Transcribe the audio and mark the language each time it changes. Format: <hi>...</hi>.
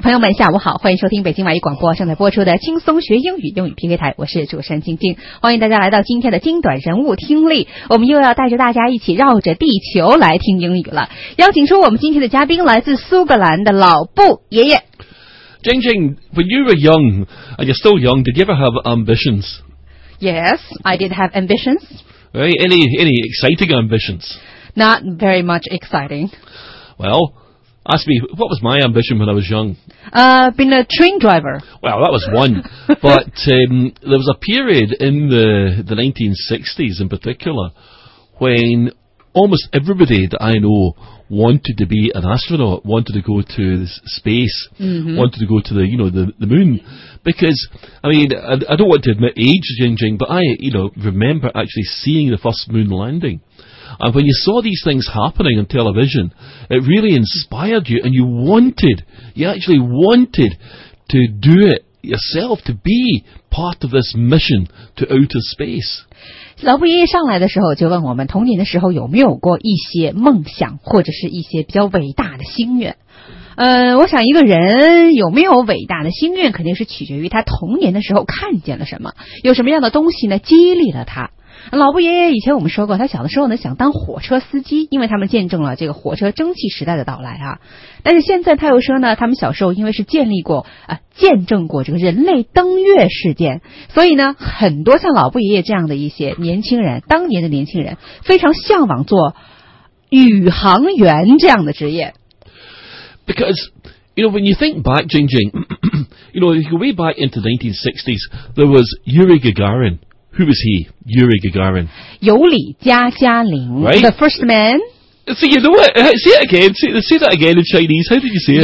<zh>朋友们下午好，欢迎收听北京外语广播正在播出的轻松学英语，英语 PK 台，我是主持人晶晶，欢迎大家来到今天的精短人物听力，我们又要带着大家一起绕着地球来听英语了。邀请出我们今天的嘉宾，来自苏格兰的老布爷爷。</zh> <en>晶晶， when you were young and you're still young, did you ever have ambitions? Yes, I did have ambitions. Right, any exciting ambitions? Not very much exciting. Well,Ask me, what was my ambition when I was young? Being a train driver. Well, that was one. But there was a period in the 1960s in particular when almost everybody that I know wanted to be an astronaut, wanted to go to space, mm-hmm. wanted to go to the moon. Because, I mean, I don't want to admit age, Jingjing, but I, you know, remember actually seeing the first moon landing. And when you saw these things happening on television, it really inspired you, and you actually wanted to do it yourself, to be part of this mission to outer space.</en> <zh>老布爷爷上来的时候就问我们，童年的时候有没有过一些梦想，或者是一些比较伟大的心愿？我想一个人有没有伟大的心愿，肯定是取决于他童年的时候看见了什么，有什么样的东西呢，激励了他。老布爷爷以前我们说过，他小的时候呢想当火车司机，因为他们见证了这个火车蒸汽时代的到来啊。但是现在他又说呢，他们小时候因为是见证过这个人类登月事件，所以呢很多像老布爷爷这样的一些年轻人，当年的年轻人非常向往做宇航员这样的职业。</zh> <en>Because, you know, when you think back, Jingjing, you know, if you go way back into the 1960s, there was Yuri Gagarin. Who was he? Yuri Gagarin. Yuri Gagarin. Right. The first man. So you know it. Say it again. Say that again in Chinese. How did you say it?</en>